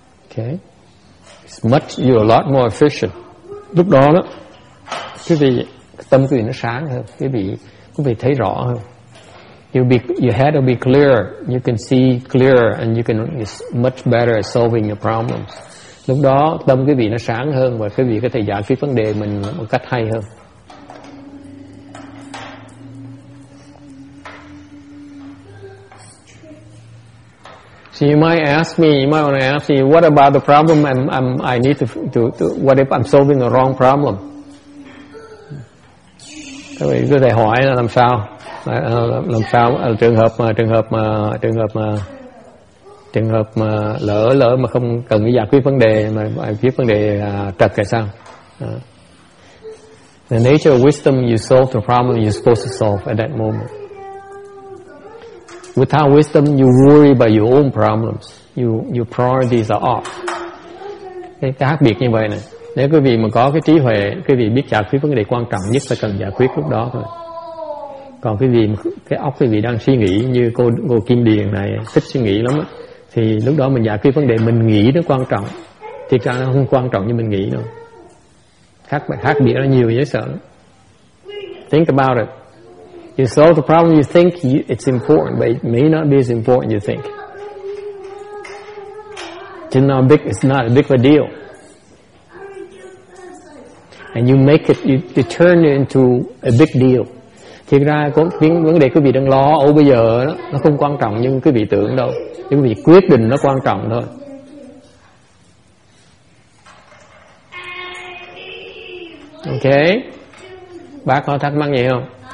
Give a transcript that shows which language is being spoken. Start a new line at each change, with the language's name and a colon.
English: Okay. It's much, you're a lot more efficient.
Vietnamese: Lúc đó đó, quý vị, tâm quý vị nó sáng hơn, quý vị thấy rõ hơn.
English: Your head will be clearer. You can see clearer, and you can it's much better at solving your problems. Lúc đó tâm quý vị nó sáng hơn và quý vị có thể giải quyết vấn đề mình một cách hay hơn. So you might ask me. You might want to ask me, what about the problem? I need to. What if I'm solving the wrong problem?
Vietnamese: Các bạn có thể hỏi là làm sao? Làm sao trường hợp mà lỡ mà không cần giải quyết vấn đề mà giải quyết vấn đề trật hay sao?
English: The nature of wisdom, you solve the problem you're supposed to solve at that moment. Without wisdom, you worry about your own problems. Your priorities are off.
Vietnamese: Cái khác biệt như vậy này. Nếu quý vị mà có cái trí huệ, quý vị biết giải quyết vấn đề quan trọng nhất là cần giải quyết lúc đó thôi. Còn quý vị, cái óc quý vị đang suy nghĩ như cô Kim Điền này, thích suy nghĩ lắm á. Thì lúc đó mình giải quyết vấn đề mình nghĩ nó quan trọng. Thì ra nó không quan trọng như mình nghĩ đâu. Khác biệt nó nhiều dễ sợ lắm.
English: Think about it. You solve the problem you think it's important, but it may not be as important you think. It's not a big of a deal. And you make it, you turn it into a big deal.
Vietnamese: Thực ra vấn đề quý vị đang lo âu bây giờ đó, nó không quan trọng như quý vị tưởng đâu. Nhưng quý vị quyết định nó quan trọng thôi. Ok. Bác có thắc mắc gì không?